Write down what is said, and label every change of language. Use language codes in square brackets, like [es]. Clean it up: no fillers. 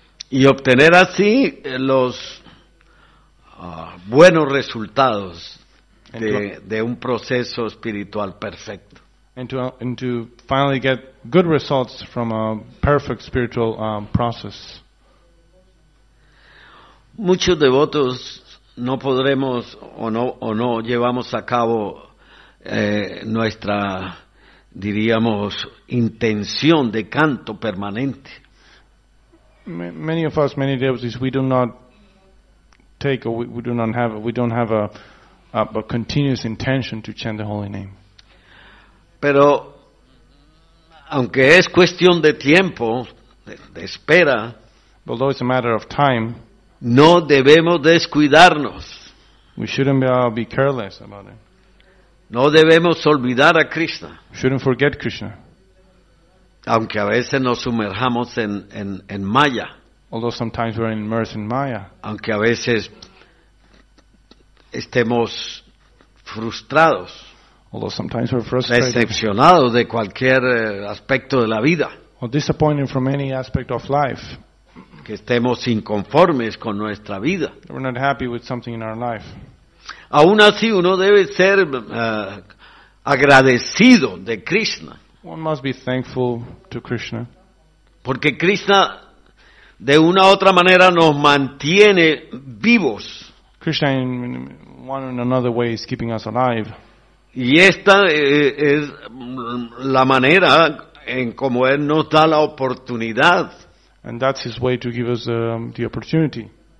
[es] Y obtener así los buenos resultados de un proceso espiritual perfecto. [en] And to finally get good results from a perfect spiritual process. [es] Muchos devotos no podremos o no llevamos a cabo nuestra, diríamos, intención de canto permanente. [en] Many of us, many devotees, we do not take or we do not have a but continuous intention to chant the holy name. [es] Pero aunque es cuestión de tiempo, de espera, [en] but though it's a matter of time, [es] no debemos descuidarnos. [en] We shouldn't be careless about it. [es] No debemos olvidar a Krishna. [en] Shouldn't forget Krishna. [es] Aunque a veces nos sumergamos en Maya. [en] Although sometimes we're immersed in Maya. [es] Aunque a veces estemos frustrados. [en] Although sometimes we're frustrated. [es] Decepcionados de cualquier aspecto de la vida. [en] Or disappointed from any aspect of life. [es] Que estemos inconformes con nuestra vida. [en] We're not happy with something in our life. [es] Aún así, uno debe ser agradecido de Krishna. [en] One must be thankful to Krishna. [es] Porque Krishna, de una u otra manera, nos mantiene vivos. [en] Krishna, in one or another way, is keeping us alive. [es] Y esta es la manera en como Él nos da la oportunidad. [en] And that's His way to give us the opportunity.